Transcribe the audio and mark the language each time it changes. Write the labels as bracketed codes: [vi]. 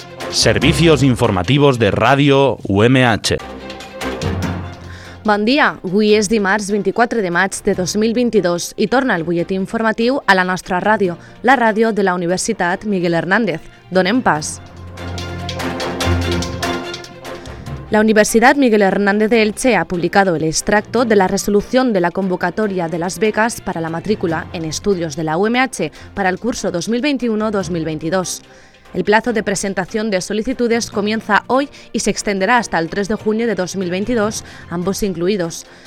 [es] Servicios informativos de Radio UMH. [ca] Bon dia, avui és dimarts 24 de maig de 2022 i torna el butlletí informatiu a la nostra ràdio, la ràdio de la Universitat Miguel Hernández. Donem pas. [es] La Universidad Miguel Hernández de Elche ha publicado el extracto de la resolución de la convocatoria de las becas para la matrícula en estudios de la UMH para el curso 2021-2022. El plazo de presentación de solicitudes comienza hoy y se extenderá hasta el 3 de junio de 2022, ambos incluidos.